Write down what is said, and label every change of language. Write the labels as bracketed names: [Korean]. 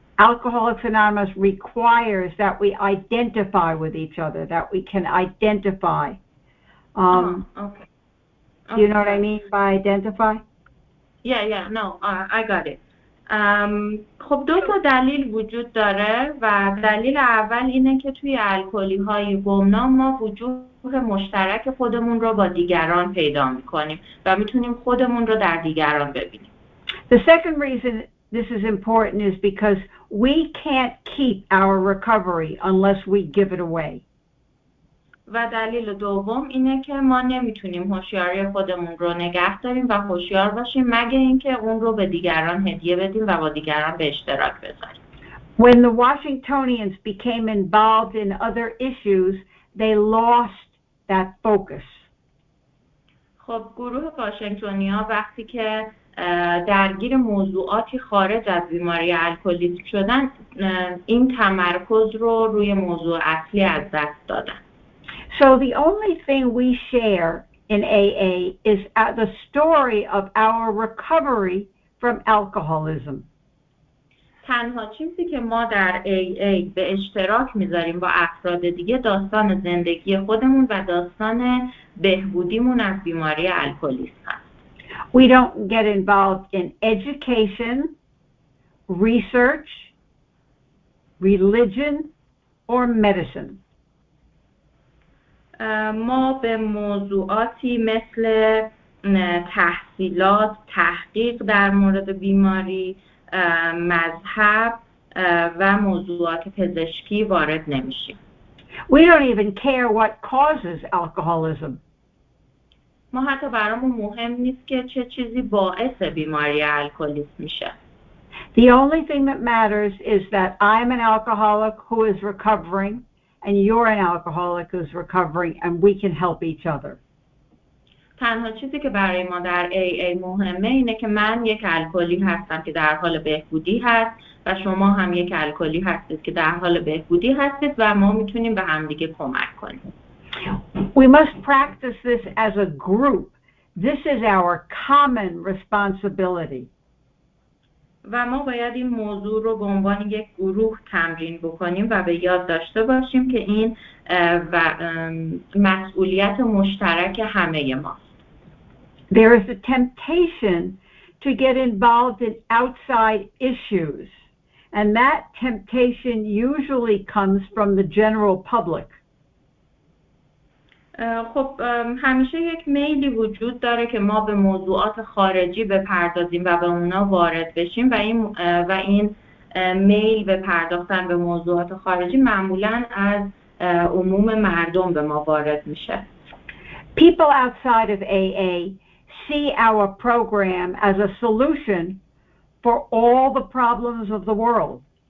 [English] Alcoholics Anonymous requires that we identify with each other, that we can identify. Okay. Do you know what I mean by identify? Yeah, I got it. [Persian] خب دو تا دلیل وجود داره و دلیل اول اینه که توی الکلی‌های گمنام ما وجوه مشترک خودمون رو با دیگران پیدا می‌کنیم و می‌تونیم خودمون رو در دیگران ببینیم. [English] The second reason this is important is because we can't keep our recovery unless we give it away. [Persian] و دلیل دوم اینه که ما نمیتونیم هوشیاری خودمون رو نگه داریم و هوشیار باشیم مگه اینکه اون رو به دیگران هدیه بدیم و با دیگران به اشتراک بذاریم. [English] When the Washingtonians became involved in other issues, they lost that focus. [Persian] خب گروه واشنگتونیا وقتی که درگیر موضوعاتی خارج از بیماری الکلی شدن این تمرکز رو روی موضوع اصلی از دست دادن. [English] So the only thing we share in AA is the story of our recovery from alcoholism. [Persian] تنها چیزی که ما در AA به اشتراک میذاریم با افراد دیگه داستان زندگی خودمون و داستان بهبودیمون از بیماری الکلیسم هست. [English] We don't get involved in education, research, religion, or medicine. [Persian] ما به موضوعاتی مثل تحصیلات، تحقیق در مورد بیماری، مذهب و موضوعات پزشکی وارد نمیشیم. [English] We don't even care what causes alcoholism. [Persian] ما حتی برامون مهم نیست که چه چیزی باعث بیماری الکلیسم میشه. [English] The only thing that matters is that I'm an alcoholic who is recovering and you're an alcoholic who's recovering and we can help each other. [Persian] تنها چیزی که برای ما در AA مهمه اینه که من یک الکلی هستم که در حال بهبودی هست و شما هم یک الکلی هستید که در حال بهبودی هستید و ما میتونیم به همدیگه کمک کنیم. [English] We must practice this as a group. This is our common responsibility. [Persian] و ما باید این موضوع رو به عنوان یک گروه تمرین بکنیم و به یاد داشته باشیم که این و مسئولیت مشترک همه ماست. [English] There is a temptation to get involved in outside issues, and that temptation usually comes from the general public. [Persian] خب همیشه یک میلی وجود داره که ما به موضوعات خارجی بپردازیم و به اونا وارد بشیم و این میل به پرداختن به موضوعات خارجی معمولا از عموم مردم به ما وارد میشه. [English] People outside of AA see our program as a solution for all the problems of the world.